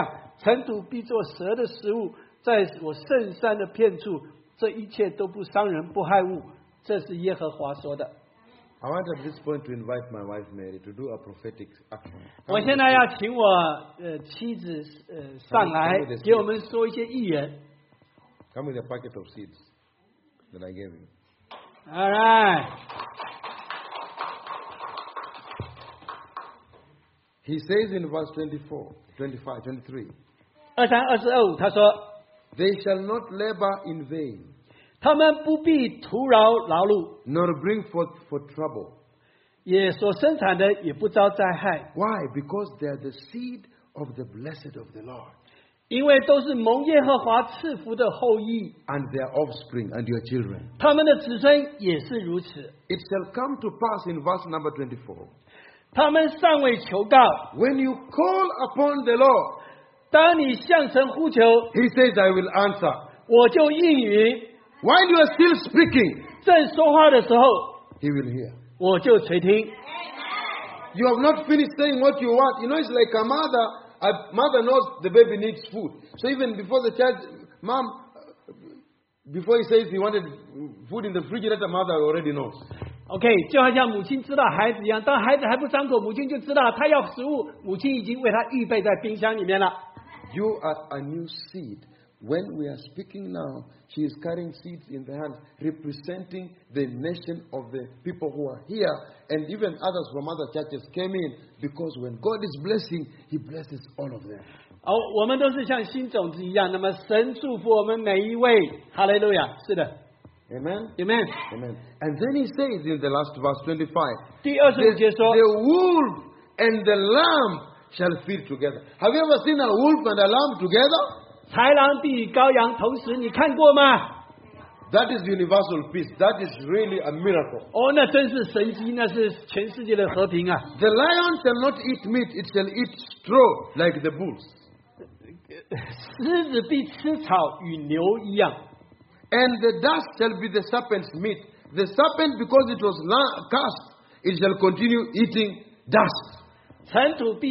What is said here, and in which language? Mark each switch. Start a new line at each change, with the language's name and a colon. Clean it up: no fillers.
Chinese: 他们建造的，别人不得住；他们栽种的，别人不得吃。因为我们的日子必像树木的日子，我选民亲手劳碌得来的，并长久享用。他们并不突然劳碌，所生产的也不遭灾害，因为那是蒙耶和华赐福的后裔。他们的子孙也是如此。他们尚未求告，我就应允；正说话的时候，我就垂听。豺狼必与羔羊同食，狮子必吃草与牛一样，尘土必做蛇的食物。在我圣山的片处，这一切都不伤人，不害物。这是耶和华说的。I
English: want at this point to invite my wife Mary to do a prophetic action.
Chinese: 我现在要请我妻子上来，给我们说一些预言。
English: Come with a packet of seeds that I gave you. All right. He says in verse 24,
Chinese: 25, 23. 23, 25，他说。
English: They shall not labor in vain.
Chinese: 他们不必徒劳劳碌,
English: nor bring forth for trouble.
Chinese: 也所生产的也不遭灾害。
English: Why? Because they are the seed of the blessed of the Lord.
Chinese: 因为都是蒙耶和华赐福的后裔。
English: And their offspring and your children.
Chinese: 他们的子孙也是如此。
English: It shall come to pass in verse number 24.
Chinese: 他们尚未求告。
English: When you call upon the Lord,
Chinese: 当你向神呼求,
English: he says, I will answer.
Chinese: 我就应允,
English: while you are still speaking,
Chinese: 正说话的时候,
English: he will hear.
Chinese: 我就垂听。
English: You have not finished saying what you want. You know, it's like a mother knows the baby needs food. So even before the child, mom, before he says he wanted food in the refrigerator, mother already knows.
Chinese: Okay, 就好像母亲知道孩子一样，当孩子还不张口，母亲就知道他要食物，母亲已经为他预备在冰箱里面了。
English: You are a new seed. When we are speaking now, she is carrying seeds in the hand, representing the nation of the people who are here, and even others from other churches came in, because when God is blessing, He blesses all of them.
Chinese: 我们都是像新种子一样, 那么神祝福我们每一位, Hallelujah, 是的。
English: Amen. Amen. Amen. And then he says in the last verse 25,
Chinese: 第二十五节说,
English: the wolf and the lamb shall feed together. Have you ever seen a wolf and a lamb together?
Chinese: 豺狼比羔羊同时你看过吗?
English: That is universal peace. That is really a miracle.
Chinese: Oh, 那真是神迹, 那是全世界的和平啊。
English: The lion shall not eat meat, it shall eat straw like the bulls.
Chinese: 狮子必吃草与牛一样。
English: And the dust shall be the serpent's meat. The serpent, because it was cursed, it shall continue eating dust.